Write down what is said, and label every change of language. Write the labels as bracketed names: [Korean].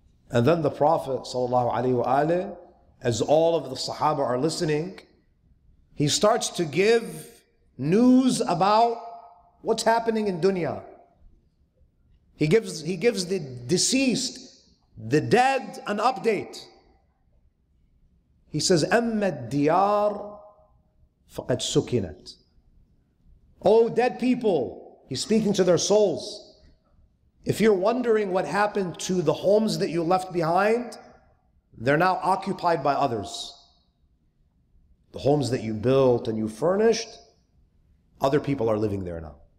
[English] And then the Prophet sallallahu alayhi wa alayhi, as all of the Sahaba are listening, he starts to give news about what's happening in dunya. He gives the deceased, the dead, an update. He says, [Arabic] أَمَّا الدِّيَارُ فَقَدْ سُكِنَتْ. [English] Oh, dead people, he's speaking to their souls. If you're wondering what happened to the homes that you left behind, they're now occupied by others. The homes that you built and you furnished, other people are living there now.